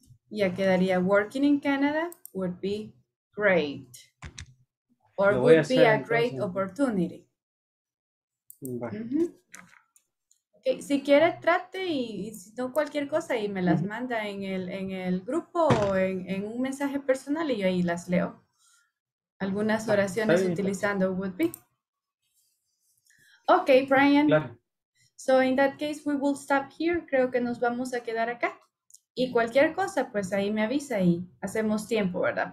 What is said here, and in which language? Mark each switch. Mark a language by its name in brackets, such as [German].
[Spanish] Ya quedaría [English] working in Canada would be great or would be a great opportunity. Uh-huh. Okay. [Spanish] Si quiere trate y si no cualquier cosa y me las uh-huh. manda en el grupo o en un mensaje personal y yo ahí las leo. Algunas oraciones utilizando [English] would be. [Spanish] Okay, Brian. Claro. [English] So in that case, we will stop here. [Spanish] Creo que nos vamos a quedar acá. Y cualquier cosa, pues ahí me avisa y hacemos tiempo, ¿verdad?